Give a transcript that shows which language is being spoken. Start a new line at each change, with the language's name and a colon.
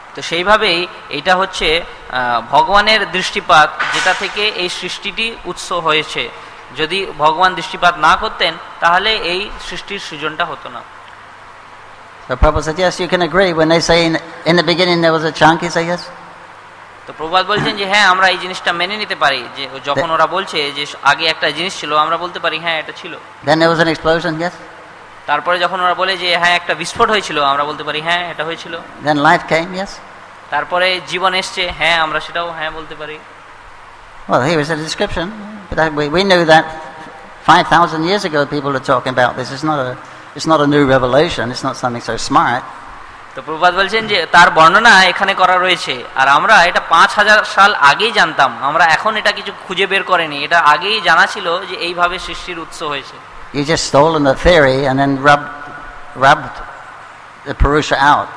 Bangla: তো সেইভাবেই এটা হচ্ছে ভগবানের দৃষ্টিপাত যেটা থেকে এই সৃষ্টিটি উৎস হয়েছে। যদি ভগবান দৃষ্টিপাত না করতেন তাহলে এই সৃষ্টির সৃজনটা হতো না।
English: So Prabhupada said, yes, you can agree. When they say in the beginning there was a chunk, he said, yes.
Bangla: তো প্রভুপাদ বলছেন যে হ্যাঁ আমরা এই জিনিসটা মেনে নিতে পারি, যে যখন ওরা বলছে যে আগে একটা জিনিস ছিল আমরা বলতে পারি হ্যাঁ এটা ছিল।
English: Then there was an explosion, yes.
Bangla: তারপরে যখন ওরা বলে যে হ্যাঁ একটা বিস্ফোট হয়েছিল আমরা বলতে পারি হ্যাঁ এটা হয়েছিল।
English: Then life came, yes.
Bangla: তারপরে জীবন এসছে হ্যাঁ আমরা সেটাও হ্যাঁ বলতে পারি।
English: Well, here is a description. But we know that 5,000 years ago people are talking about this. It's not a new revelation. It's not something so smart.
Bangla: তো প্রভুপাদ বলছেন যে তার বর্ণনা এখানে করা রয়েছে আর আমরা এটা 5,000 সাল আগেই জানতাম, আমরা এখন এটা কিছু খুঁজে বের করেনি, এটা আগেই জানা ছিল যে এইভাবে সৃষ্টির উৎস হয়েছে।
English: You just stolen the theory and then rubbed the Purusha out.